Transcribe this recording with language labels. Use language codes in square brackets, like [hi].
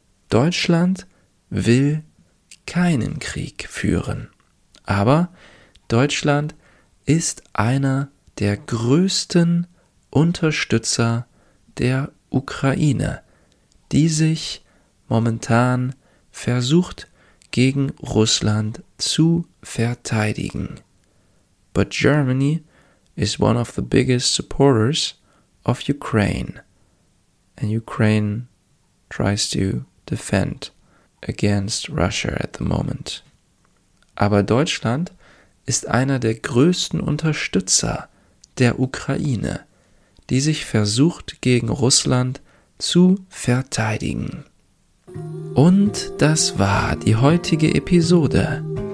[de] Deutschland will keinen Krieg führen, aber Deutschland ist einer der größten Unterstützer der Ukraine, die sich momentan versucht, gegen Russland zu verteidigen. [en] But Germany is one of the biggest supporters of Ukraine. And Ukraine tries to defend against Russia at the moment. [de] Aber Deutschland ist einer der größten Unterstützer der Ukraine, die sich versucht, gegen Russland zu verteidigen. Und das war die heutige Episode.